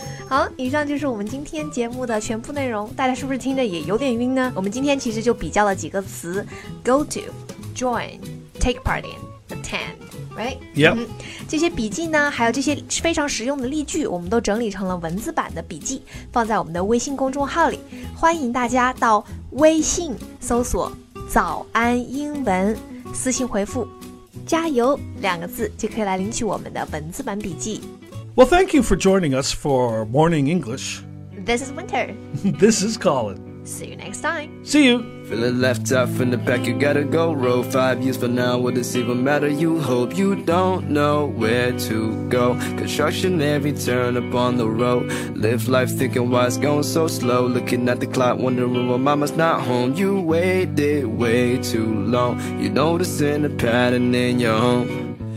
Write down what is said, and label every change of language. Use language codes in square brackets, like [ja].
[zh] 好，以上就是我们今天节目的全部内容。大家是不是听得也有点晕呢？我们今天其实就比较了几个词 ：go to, join, take part in, attend. [en] Right? Yep. [zh] 这些笔记呢还有这些非常实用的例句我们都整理成了文字版的笔记放在我们的微信公众号里欢迎大家到微信搜索早安英文私信回复加油两个字就可以来领取我们的文字版笔记 [en] Well, thank you for joining us for Morning English This is Winter This is Colin See you next time See you Feeling left out from the back, you gotta go roll 5 years from now, what does even matter? You hope you don't know where to go Construction every turn upon the road Live life thinking why it's going so slow Looking at the clock, wondering why mama's not home You waited way too long You noticing a pattern in your home